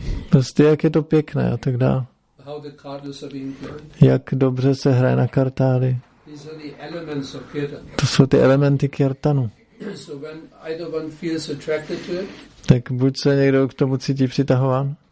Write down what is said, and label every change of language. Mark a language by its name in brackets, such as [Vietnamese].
[Czech] Prostě jak je to pěkné a tak dále. [English] How the cards are being played. [Czech] Jak dobře se hraje na kartály. [English] These are the elements of kirtan. [Czech] To jsou ty elementy kirtanu. [English] So when either one feels attracted to it, [Czech] tak buď se někdo k tomu cítí přitahován,